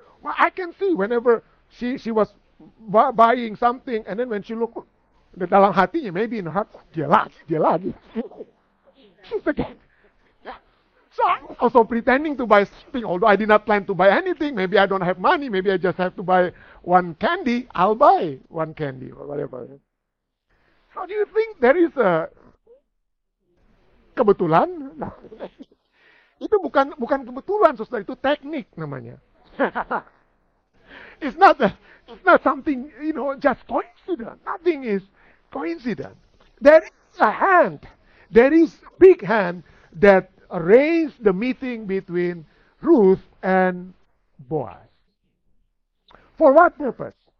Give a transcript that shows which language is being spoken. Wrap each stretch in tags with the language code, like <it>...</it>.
<en>Well, I can see whenever she was buying something, and then when she looked</en> <id>dalam hatinya,</id> <en>maybe in her heart,</en> <id>dia lagi.</id> <en>She's again. Yeah. So I was also pretending to buy something, although I did not plan to buy anything. Maybe I don't have money. Maybe I just have to buy one candy. I'll buy one candy or whatever. How do you think there is a kebetulan?</en> <id>Nah, itu bukan kebetulan, Saudara, itu teknik namanya.</id> <en>It's not something, you know, just coincidence. Nothing is coincidence. There is a hand. There is a big hand that arranged the meeting between Ruth and Boaz. For what purpose?</en>